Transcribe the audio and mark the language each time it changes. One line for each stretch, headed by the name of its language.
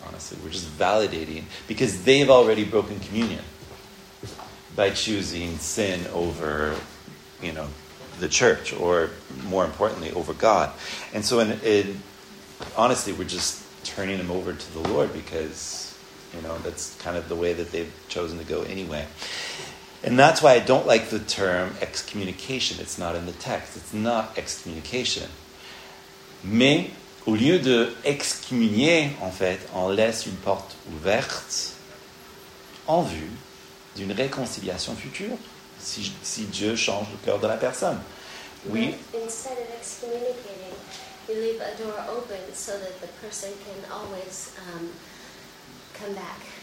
English: Honestly, we're just validating because they've already broken communion by choosing sin over, you know, the church, or more importantly, over God. And so, honestly, we're just turning them over to the Lord because, you know, that's kind of the way that they've chosen to go anyway. And that's why I don't like the term excommunication. It's not in the text. It's not excommunication.
French: Mais, au lieu de excommunier, en fait, on laisse une porte ouverte en vue d'une réconciliation future, si Dieu change le cœur de la personne. Oui.
English: Instead of excommunicating, you leave a door open so that the person can always come back.